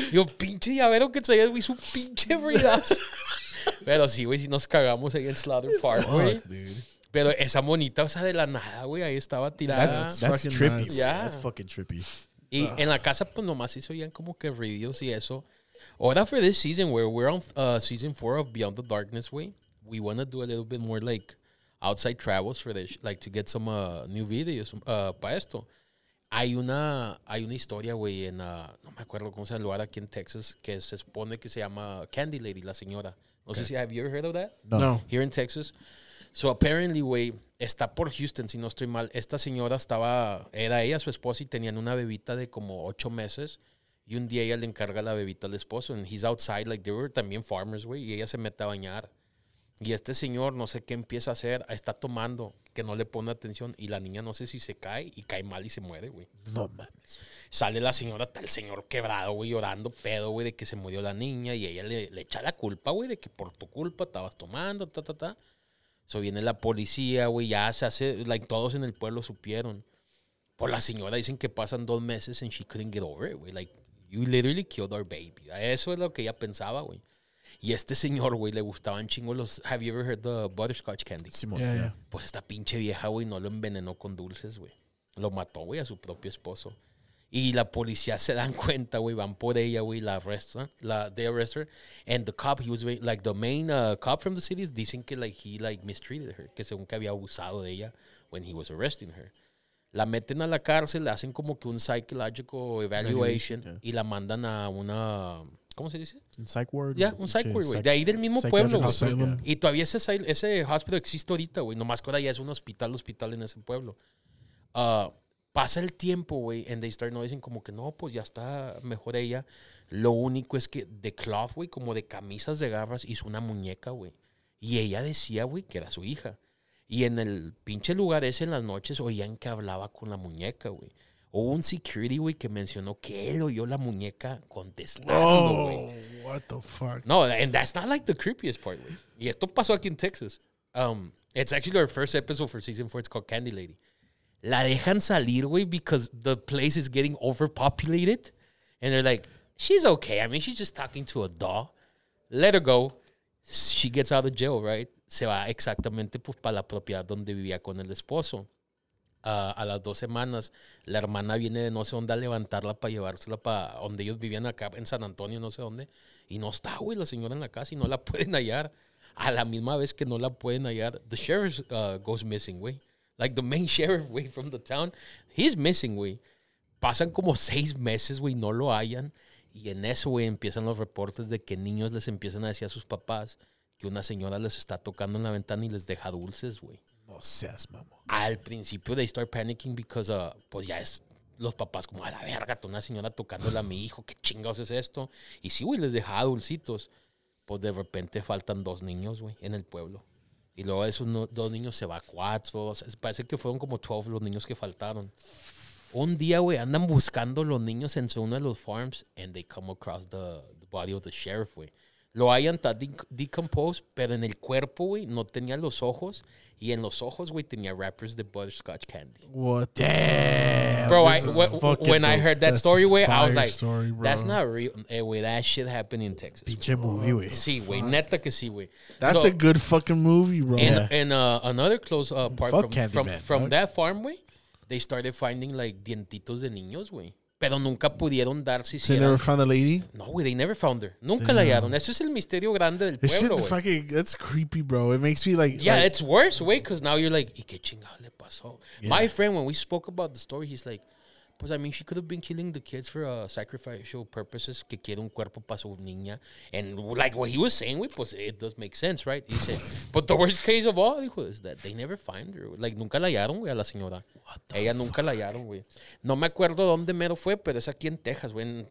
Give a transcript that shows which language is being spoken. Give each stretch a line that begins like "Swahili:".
Spanish: Yo, pinche llavero que traía, güey, su pinche bridas. Pero sí, güey, si nos cagamos ahí en Slaughter Park, güey. Pero esa monita, o sea, de la nada, güey, ahí estaba tirada.
English: That's trippy. Nice. Yeah. That's fucking trippy.
Spanish: Y en la casa, pues, nomás se oían como que ruidos y eso.
English: Ahora for this season, where we're on season 4 of Beyond the Darkness, way, we want to do a little bit more like outside travels for this, like to get some new videos para esto.
Spanish: Hay una historia, güey, en no me acuerdo cómo se llama el lugar aquí en Texas, que se supone que se llama Candy Lady, la señora.
English: No sé si have you ever heard of that? No. Here in Texas. So apparently, güey, está por Houston, si no estoy mal.
Spanish: Esta señora era ella, su esposa, y tenían una bebita de como 8 meses. Y un día ella le encarga la bebita al esposo. And he's outside, like, they were también farmers, güey. Y ella se mete a bañar. Y este señor, no sé qué empieza a hacer, está tomando, que no le pone atención. Y la niña, no sé si se cae, y cae mal y se muere, güey. No mames. Sale la señora, está el señor quebrado, güey, llorando, pedo, güey, de que se murió la niña. Y ella le echa la culpa, güey, de que por tu culpa estabas tomando, ta, ta, ta. So viene la policía, güey, ya se hace, like, todos en el pueblo supieron.
English: Por la señora, dicen que pasan 2 meses and she couldn't get over it, güey, like, you literally killed our baby.
Spanish: Eso es lo que ella pensaba, güey. Y este señor, güey, le gustaban chingos los...
English: Have you ever heard the butterscotch candy? Simón. Yeah, yeah.
Spanish: Pues esta pinche vieja, güey, no lo envenenó con dulces, güey. Lo mató, güey, a su propio esposo. Y la policía se dan cuenta, güey, van por ella, güey, la arrestan.
English: They arrest her. And the cop, he was, like, the main cop from the city, dicen que, like, he, like, mistreated her.
Spanish: Que según que había abusado de ella when he was arresting her. La meten a la cárcel, le hacen como que un psychological evaluation yeah. Y la mandan a una, ¿cómo se dice? Un psych ward. Ya, yeah, un psych ward, güey. De ahí del mismo pueblo. Y todavía ese hospital existe ahorita, güey. Nomás que ahora ya es un hospital en ese pueblo. Pasa el tiempo, güey, and they start, no, dicen como que no, pues ya está mejor ella. Lo único es que de cloth, güey, como de camisas de garras, hizo una muñeca, güey. Y ella decía, güey, que era su hija. Y en el pinche lugar ese, en las noches, oían que hablaba con la muñeca, güey. Hubo un security, güey, que mencionó que él oyó la muñeca contestando, güey.
English: What the fuck? No, and that's not like the creepiest part, güey. Y esto pasó aquí en Texas. It's actually our first episode for season 4. It's called Candy Lady. La dejan salir, güey, because the place is getting overpopulated. And they're like, she's okay. I mean, she's just talking to a doll. Let her go. She gets out of jail, right?
Spanish: Se va exactamente pues para la propiedad donde vivía con el esposo. A las 2 semanas, la hermana viene de no sé dónde a levantarla para llevársela para donde ellos vivían acá en San Antonio, no sé dónde. Y no está, güey, la señora en la casa y no la pueden hallar. A la misma vez que no la pueden hallar, the sheriff goes missing, güey.
English: Like the main sheriff, güey, from the town.
Spanish: He's missing, güey. Pasan como 6 meses, güey, no lo hallan. Y en eso, güey, empiezan los reportes de que niños les empiezan a decir a sus papás que una señora les está tocando en la ventana y les deja dulces, güey. No seas, mamón. Al principio, they start panicking because, pues ya es los papás como, a la verga, una señora tocándole a mi hijo, ¿qué chingados es esto? Y sí, güey, les dejaba dulcitos. Pues de repente faltan 2 niños, güey, en el pueblo. Y luego esos 2 niños se va a 4. O sea, parece que fueron como 12 los niños que faltaron. Un día, güey, andan buscando los niños en uno de los farms and they come across the body of the sheriff, güey. Lo hayan decomposed, pero en el cuerpo, güey, no tenía los ojos. Y en los ojos, güey, tenía wrappers de butterscotch candy.
English: What the fuck? Bro, when I heard that story, güey, I was like, story, that's not real. Güey, that shit happened in Texas.
Spanish: Pinche movie, güey. Sí, güey, neta que sí, güey.
English: That's so, a good fucking movie, bro. And, yeah. And another close part fuck from, candy, from that farm, güey, they started finding, like, dientitos de niños, güey.
Spanish: Pero nunca pudieron dar si
English: they never found the lady?
Spanish: No, güey, they never found her. Nunca Damn. La hallaron. Eso es el misterio grande del pueblo, güey.
English: Fucking, that's creepy, bro. It makes me like... Yeah, like, it's worse, güey, because now you're like, ¿y qué chingado le pasó? Yeah. My friend, when we spoke about the story, he's like, pues, I mean, she could have been killing the kids for sacrificial purposes, que quiere un cuerpo para su niña. And like what he was saying, güey, pues, it does make sense, right? He said, but the worst case of all, dijo, is that they never find her.
Spanish: Like, nunca la hallaron, güey, a la señora. What the Ella fuck? Nunca la hallaron, güey. No me acuerdo dónde mero fue, pero es aquí en Texas, güey.